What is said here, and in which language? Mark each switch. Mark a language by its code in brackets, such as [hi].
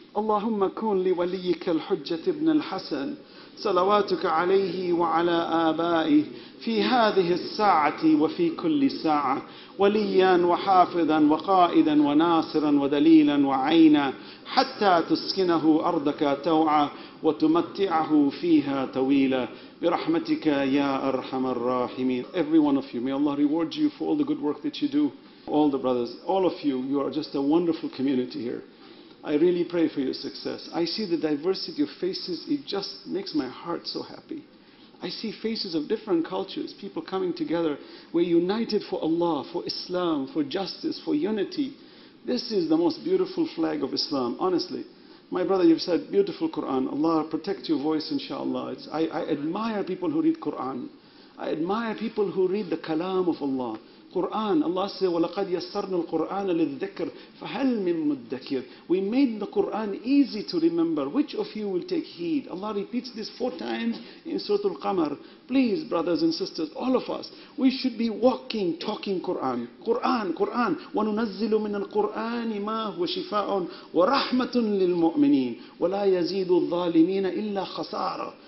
[ar] اللهم كن لوليك الحجة ابن الحسن صلواتك عليه وعلى آبائه في هذه الساعة وفي كل ساعة، وليا وحافظا وقائدا وناصرا ودليلا وعينا، حتى تسكنه أرضك توعا وتمتعه فيها طويلا برحمتك يا أرحم الراحمين. [en] Every one of you, may Allah reward you for all the good work that you do. All the brothers, all of you are just a wonderful community here. I really pray for your success. I see the diversity of faces. It just makes my heart so happy. I see faces of different cultures, people coming together. We're united for Allah, for Islam, for justice, for unity. This is the most beautiful flag of Islam, honestly. My brother, you've said beautiful Quran. Allah protect your voice, inshallah. I admire people who read Quran. I admire people who read the kalam of Allah. Quran, Allah says, [ar] وَلَقَدْ يَسَّرْنَا الْقُرْآنَ لِلذِّكْرِ فَهَلْ مِن مُدَّكِرٍ. [en] We made the Quran easy to remember. Which of you will take heed? Allah repeats this 4 times in Surah Al-Qamar. Please, brothers and sisters, all of us, we should be walking, talking Quran. Quran, Quran. [ar] وَنُنَزِّلُ مِنَ الْقُرْآنِ مَا هُوَ شِفَاءٌ وَرَحْمَةٌ لِلْمُؤْمِنِينَ وَلَا يَزِيدُ الظَّالِمِينَ إِلَّا خَسَارًا.